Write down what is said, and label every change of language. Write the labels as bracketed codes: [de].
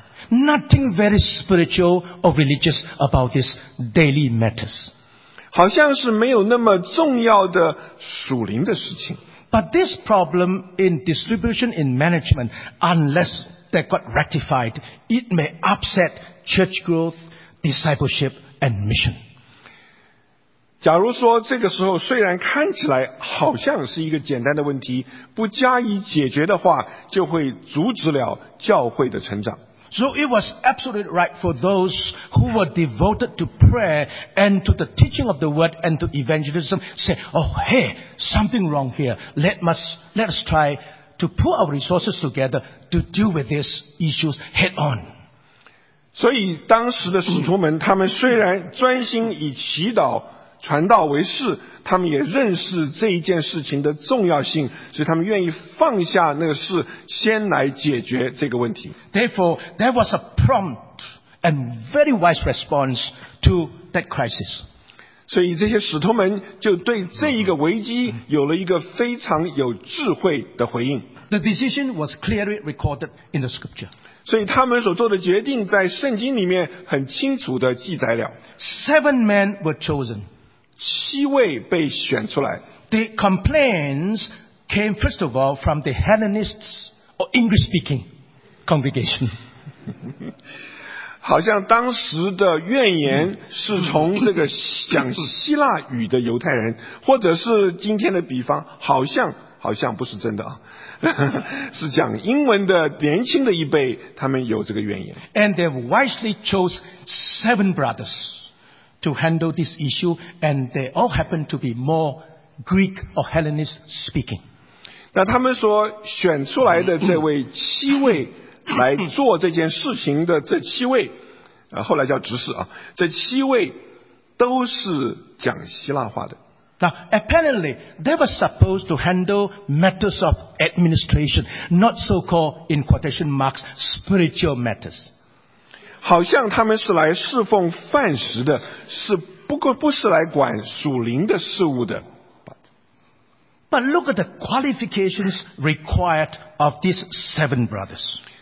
[en] Nothing very spiritual or religious about these daily matters. [zh] 好像是没有那么重要的属灵的事情。 [en] But this problem in distribution in management, unless that got rectified, it may upset church growth, discipleship, and mission. [zh] 假如说这个时候虽然看起来好像是一个简单的问题，不加以解决的话，就会阻止了教会的成长。 [en] So it was absolutely right for those who were devoted to prayer and to the teaching of the word and to evangelism say, oh hey, something wrong here. Let us try to pull our resources together to deal with these issues head on. [zh] 所以当时的使徒们他们虽然专心以祈祷传道为事，他们也认识这一件事情的重要性，所以他们愿意放下那个事，先来解决这个问题。 [en] Therefore, there was a prompt and very wise response to that crisis. [zh] 所以这些使徒们就对这一个危机有了一个非常有智慧的回应。 [en] The decision was clearly recorded in the scripture. [zh] 所以他们所做的决定在圣经里面很清楚地记载了。 [en] Seven men were chosen. [zh] 七位被选出来。 [en] The complaints came first of all from the Hellenists or English-speaking congregation. [zh] 好像当时的怨言是从这个讲希腊语的犹太人，或者是今天的比方，好像不是真的啊，是讲英文的年轻的一辈，他们有这个怨言。 [en] And they wisely chose seven brothers. To handle this issue, and they all happen to be more Greek or Hellenist speaking. [zh] 那他们所选出来的这位七位来做这件事情的这七位，后来叫执事啊，这七位都是讲希腊话的。 [en] Now, apparently, they were supposed to handle matters of administration, not so-called in quotation marks spiritual matters. [zh] 好像他们是来侍奉饭食的，是不是来管属灵的事物的。 [en] But look at the qualifications required of these seven brothers.